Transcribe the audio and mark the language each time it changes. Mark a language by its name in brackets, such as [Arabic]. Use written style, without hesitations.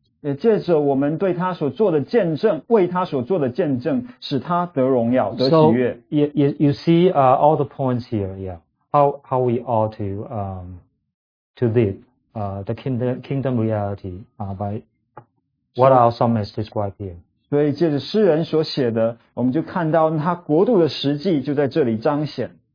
[Chinese] 也借着我们对他所做的见证，为他所做的见证，使他得荣耀，得喜悦。 [English] So you see all the points here, yeah. How we ought to live the kingdom reality by what our psalmist described here. [Chinese] 所以借着诗人所写的，我们就看到他国度的实际就在这里彰显。